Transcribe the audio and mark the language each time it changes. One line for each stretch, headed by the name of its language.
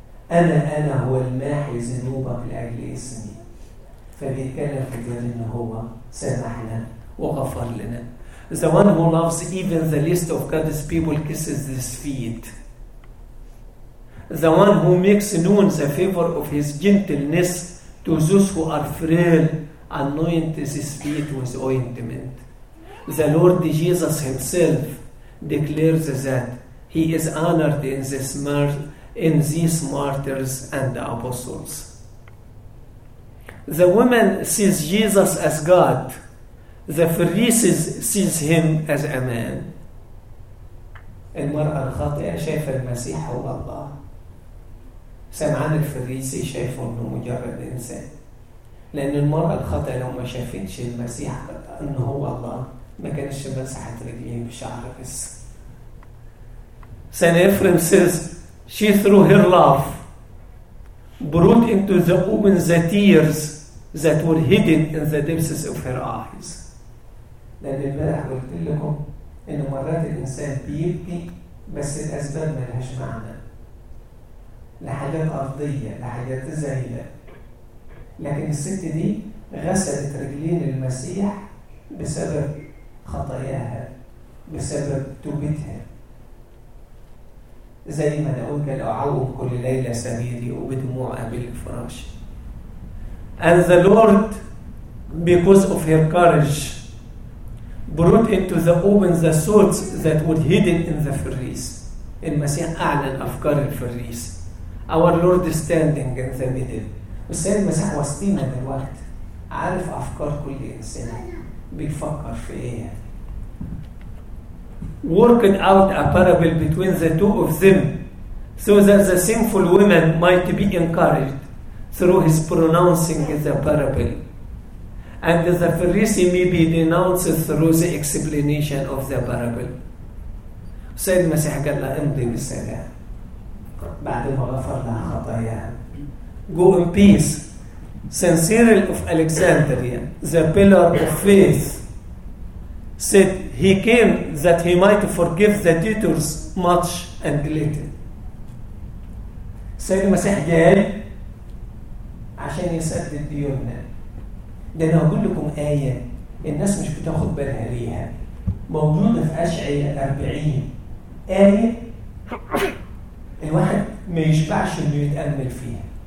Arabic: انا هو الماحي ذنوبك لاجل اسمي. فبيتكلم في ذلك ان هو سامحنا وغفر لنا.
English: The one who loves even the least of God's people kisses his feet. The one who makes known the favor of his gentleness to those who are frail anoints his feet with ointment. The Lord Jesus himself declares that he is honored in these martyrs and apostles. The woman sees Jesus as God. The Pharisees sees him as a man.
Arabic: المرأة الخاطئة شايفة المسيح هو الله. سمعان الفريسي شايفه أنه مجرد إنسان. لأن المرأة الخاطئة لو ما شافتش المسيح أنه هو الله ما كانش مسحت رجليه بشعر بس.
English: Saint Ephrem says she threw her love brought into the open the tears that were hidden in the depths of her eyes.
Arabic: لأن البارح قلت لكم أن مرات الإنسان بيبكي بس الأسباب ما لهاش معنى، لحاجات أرضية، لحاجات زائلة. لكن الست دي غسلت رجلين المسيح بسبب خطاياها، بسبب توبتها. زي ما داود قال أعوم كل ليلة سريري وبدموع أبي الفراش.
English: And the Lord because of her courage brought into the open the thoughts that were hidden in the Pharisees.
Arabic: المسيح أعلن أفكار الفريس.
English: Our Lord is standing in the middle.
Arabic: والسيد المسيح وسطينا دلوقت، عارف أفكار كل إنسان بيفكر في إيه.
English: Working out a parable between the two of them so that the sinful woman might be encouraged through his pronouncing the parable. And the Pharisee may be denounced through the explanation of the parable.
Arabic: سيد المسيح قال لها امضي بالسلام بعد ما غفر لها خطاياها.
English: Go in peace. Saint Cyril of Alexandria, the pillar of faith, said he came that he might forgive the debtors much and little.
Arabic: سيد المسيح قال عشان يسدد ديوننا. ده أنا أقول لكم آية الناس مش بتاخد بالها ليها، موجودة في أشعياء 40، آية الواحد ما يشبعش إنه يتأمل فيها.